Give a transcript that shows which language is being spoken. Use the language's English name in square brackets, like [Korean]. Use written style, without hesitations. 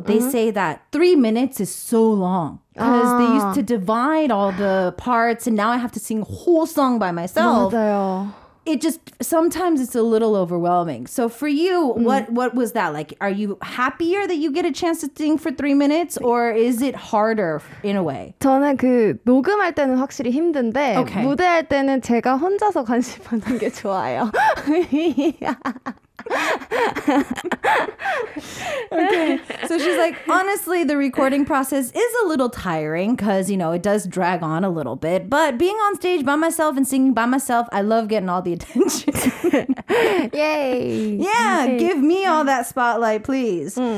[English] They say that 3 minutes is so long because they used to divide all the parts. And now I have to sing a whole song by myself. [Korean] 맞아요. [English] It just sometimes it's a little overwhelming. So for you, what was that like? Are you happier that you get a chance to sing for 3 minutes, or is it harder in a way? [Korean] 저는 그 녹음할 때는 확실히 힘든데 [English] okay. [Korean] 무대할 때는 제가 혼자서 관심 받는 게 좋아요. [English] Okay, so she's like, honestly, the recording process is a little tiring because, you know, it does drag on a little bit. But being on stage by myself and singing by myself, I love getting all the attention. Yay! Yeah, okay. Give me all that spotlight, please.